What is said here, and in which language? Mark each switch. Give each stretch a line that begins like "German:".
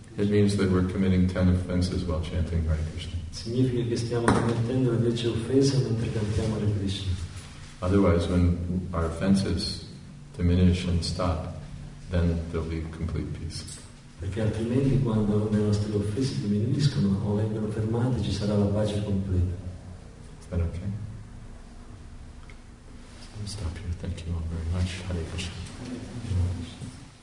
English: It means that we're committing 10 offenses while chanting Hare Krishna.
Italian: Significa che stiamo commettendo 10 offese mentre cantiamo Hare Krishna.
English: Otherwise, when our offenses diminish and stop, then there'll be complete peace.
Italian: Perché altrimenti quando le nostre offese diminuiscono o vengono fermate, ci sarà la pace completa.
English: Is that okay? Stop here. Thank you all very much. Hare Krishna.